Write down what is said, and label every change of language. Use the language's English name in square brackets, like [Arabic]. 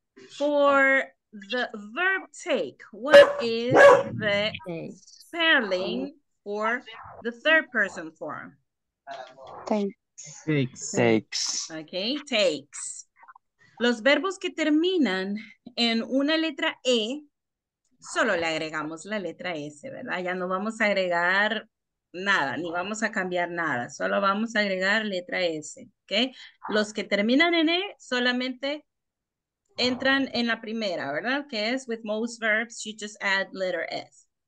[English] For the verb take, what is the spelling for the third person form? Takes. Okay, takes. [Spanish] Los verbos que terminan en una letra E, solo le agregamos la letra S, ¿verdad? Ya no vamos a agregar nada, ni vamos a cambiar nada. Solo vamos a agregar letra S, ¿ok? Los que terminan en E solamente entran en la primera, ¿verdad? Que es, [English] with most verbs, you just add letter S.